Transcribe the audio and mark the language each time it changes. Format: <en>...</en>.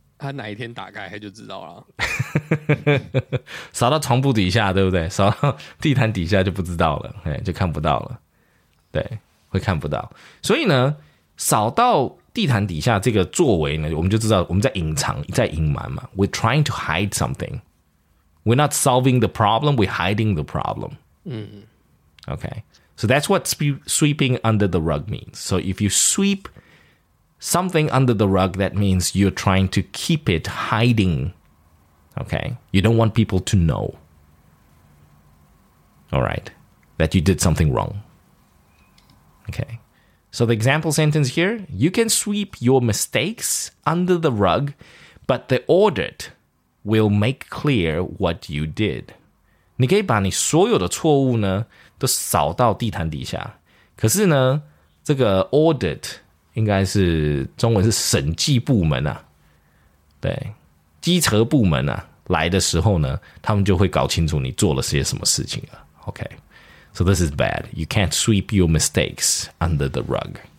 <zh>他哪一天打开，他就知道了。扫到床铺底下，对不对？扫到地毯底下就不知道了，就看不到了。对，会看不到。所以呢？扫到地毯底下这个作为呢，我们就知道我们在隐藏，在隐瞒嘛。</zh> <en>We're trying to hide something. We're not solving the problem, we're hiding the problem. Okay. So that's what sweeping under the rug means. So if you sweep something under the rug, that means you're trying to keep it hiding. Okay. You don't want people to know. All right. That you did something wrong. Okay. So the example sentence here, you can sweep your mistakes under the rug, but the audit will make clear what you did.</en> <zh>你可以把你所有的错误呢都扫到地毯底下。可是呢这个 audit 应该是中文是审计部门啊。对。稽查部门啊来的时候呢他们就会搞清楚你做了些什么事情啊。</zh> <en>OK。 So this is bad. You can't sweep your mistakes under the rug.</en>